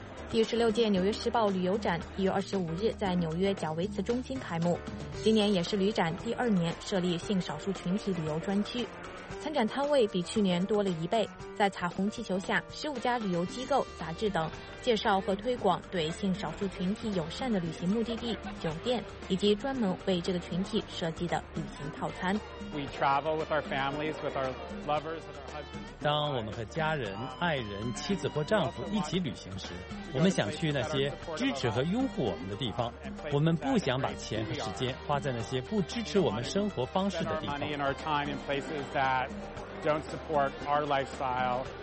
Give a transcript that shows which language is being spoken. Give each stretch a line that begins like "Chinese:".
Chinese: 第16届纽约时报旅游展1月25日在纽约贾维茨中心开幕，今年也是旅展第二年设立性少数群体旅游专区，参展摊位比去年多了一倍，在彩虹气球下，15家旅游机构、杂志等介绍和推广对性少数群体友善的旅行目的地、酒店以及专门为这个群体设计的旅行套餐。
English: We travel with our families, with our lovers, with our husbands.
Chinese: 当我们和家人、爱人、妻子或丈夫一起旅行时，我们想去那些支持和拥护我们的地方，我们不想把钱和时间花在那些不支持我们生活方式的地方。